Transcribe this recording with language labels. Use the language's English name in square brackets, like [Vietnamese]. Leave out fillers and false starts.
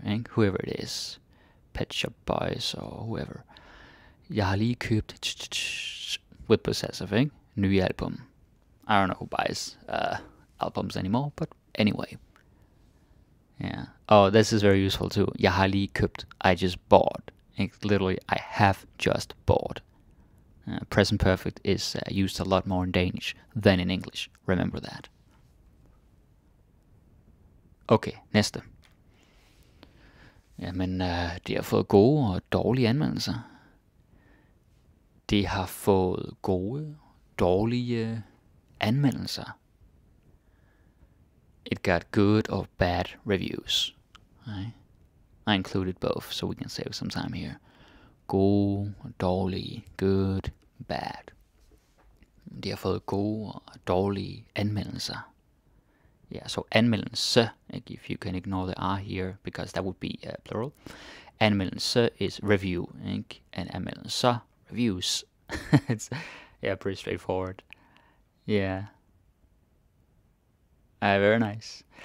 [English] Right? Whoever it is. Pet Shop Boys or whoever. [Danish] Jeg har lige købt [English] with possessive, eh? [Danish] Ny album. [English] I don't know who buys albums anymore, but anyway. Yeah. Oh, this is very useful too. [Danish] Jeg har lige købt. [English] I just bought. Literally, I have just bought. Present perfect is used a lot more in Danish than in English. Remember that. [Danish] Okay, næste. Jamen, de har fået gode og dårlige anmeldelser. Det har fået gode, dårlige anmeldelser. [English] It got good or bad reviews. Right? I included both, so we can save some time here. [Danish] Gode, dårlige, [English] good, bad. [Danish] Det har fået gode og dårlige anmeldelser. [English] Yeah, so anmeldelse, like if you can ignore the R here, because that would be plural. Anmeldelse is review, like, and anmeldelse, reviews. It's, yeah, pretty straightforward. Yeah. Very nice.